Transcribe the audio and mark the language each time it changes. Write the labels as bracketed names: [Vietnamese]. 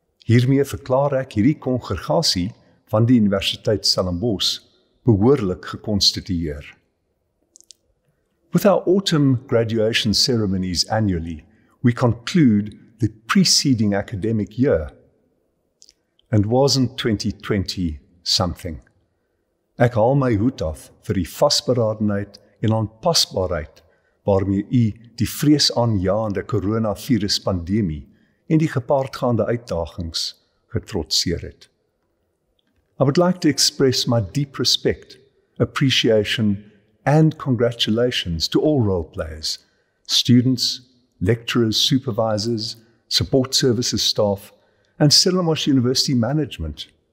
[Afrikaans] Hiermee verklaar ek hierdie kongregasie van die Universiteit Stellenbosch behoorlik gekonstitueer. [English] With our autumn graduation ceremonies annually, we conclude the preceding academic year. And wasn't 2020 something? [Afrikaans] Ek haal my hoed af vir die vasberadenheid en aanpasbaarheid waarmee u die vreesaanjaande koronaviruspandemie en die gepaardgaande uitdagings getrotseer het. [English] I would like to express my deep respect, appreciation and congratulations to all role players, students, lecturers, supervisors, support services staff and Stellenbosch University management.